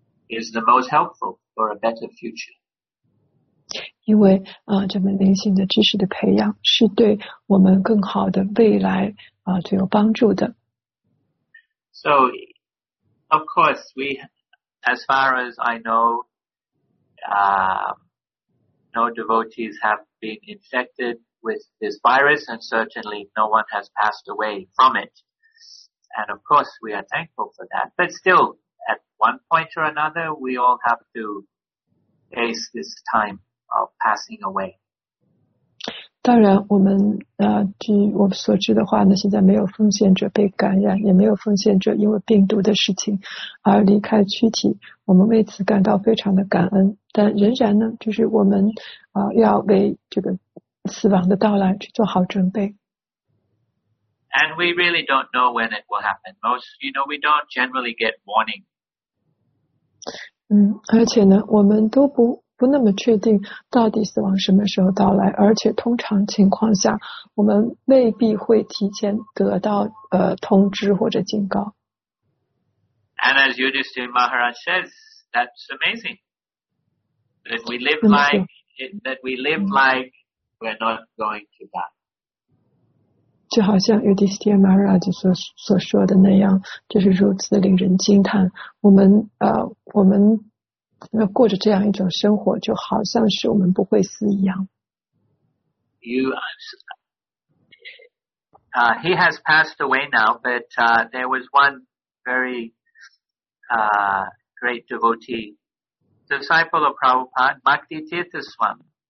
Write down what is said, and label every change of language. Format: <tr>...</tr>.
<en>Is the most helpful for a better future.</en> <zh>因为这门灵性的知识的培养是对我们更好的未来最有帮助的。</zh> <en>So, of course, we, as far as I know, no devotees have been infected with this virus, and certainly no one has passed away from it. And of course, we are thankful for that. But still,At one point or another, we all have to face this time of passing away.</en> <zh>当然我们据我所知的话呢，现在没有奉献者被感染，也没有奉献者因为病毒的事情而离开躯体，我们为此感到非常的感恩，但仍然呢，就是我们要为这个死亡的到来去做好准备。</zh> <en>And we really don't know when it will happen. Most, you know, we don't generally get warning.</en> <zh>而且呢，我们都不那么确定到底死亡什么时候到来，而且通常情况下，我们未必会提前得到通知或者警告。</zh> <en>And as Yudhisthira Maharaj says, that's amazing. That we live like we're not going to die.</en> <zh>就好像 Yudhisthira Maharaj 所说的那样，就是如此令人惊叹。我们过着这样一种生活，就好像是我们不会死一样。</zh> <en>He has passed away now, but there was one very great devotee, disciple of Prabhupada, Bhakti Tirtha Swami.</en>